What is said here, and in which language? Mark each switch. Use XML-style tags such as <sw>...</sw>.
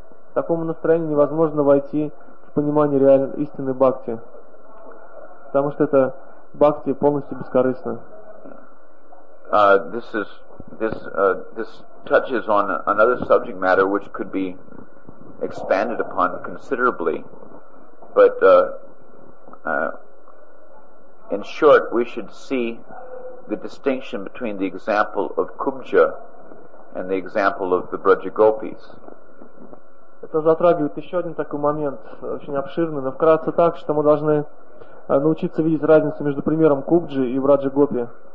<ru>В таком настроении невозможно войти в понимание реальной истинной бхакти, потому что это бхакти полностью бескорыстно.</ru> <en>This touches on another subject matter which could be expanded upon considerably, but in short, we should see the distinction between the example of Kubja and the example of the Braja Gopis.</en> <ru>Это затрагивает еще один такой момент, очень обширный, но вкратце так, что мы должны научиться видеть разницу между примером Кубджи и Браджа Гопи.</ru>